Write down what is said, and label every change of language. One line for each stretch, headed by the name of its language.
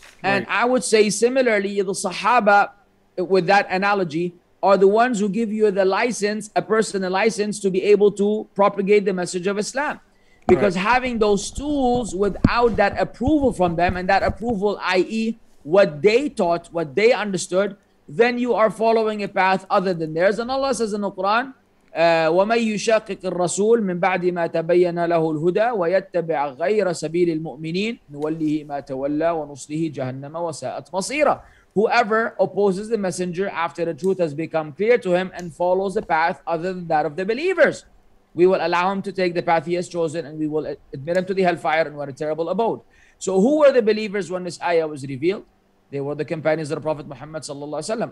English: And right. I would say similarly, the Sahaba, with that analogy, are the ones who give you the license, a person a license to be able to propagate the message of Islam. Because right. having those tools without that approval from them, and that approval, i.e. what they taught, what they understood, then you are following a path other than theirs. And Allah says in the Quran,
Arabic: ومن يشاقق الرسول من بعد ما تبين له الهدى ويتبع غير سبيل المؤمنين نوله ما تولى ونصله جهنم وساءت مصيرا.
English: Whoever opposes the messenger after the truth has become clear to him and follows the path other than that of the believers, we will allow him to take the path he has chosen and we will admit him to the hellfire and what a terrible abode. So who were the believers when this ayah was revealed? They were the companions of the Prophet Muhammad sallallahu alaihi wasallam.